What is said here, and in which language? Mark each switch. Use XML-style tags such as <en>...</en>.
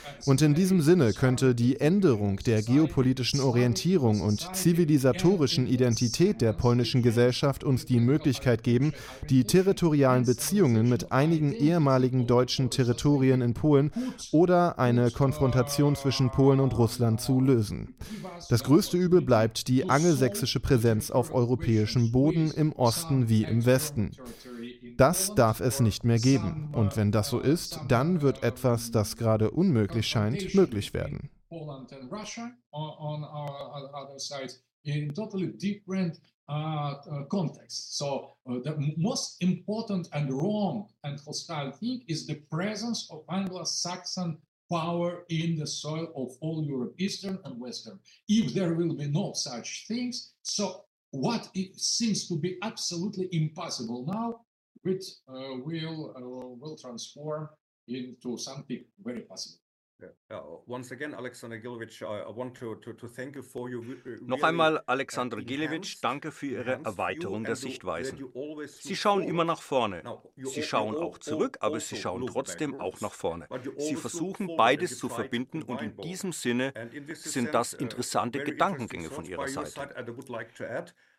<de>Und in diesem Sinne könnte die Änderung der geopolitischen Orientierung und zivilisatorischen Identität der polnischen Gesellschaft uns die Möglichkeit geben, die territorialen Beziehungen mit einigen ehemaligen deutschen Territorien in Polen oder eine Konfrontation zwischen Polen und Russland zu lösen. Das größte Übel bleibt die angelsächsische Präsenz auf europäischem Boden im Osten wie im Westen. Das darf es nicht mehr geben. Und wenn das so ist, dann wird etwas, das gerade unmöglich scheint, möglich werden.</de> <en>Poland and Russia on our other side in totally different context. So the most important and wrong and hostile thing is the presence of Anglo-Saxon power in the soil of all Europe, Eastern and Western. If there will be no such things, so what it seems to be absolutely impossible now, which will transform into something very possible. Once again, Alexander Gilevich, I want to thank you for your really</en> <de>noch einmal, Alexander Gilevich, danke für Ihre Erweiterung der Sichtweisen. Sie schauen immer nach vorne. Sie schauen auch zurück, aber Sie schauen trotzdem auch nach vorne. Sie versuchen, beides zu verbinden und in diesem Sinne sind das interessante Gedankengänge von Ihrer Seite.</de>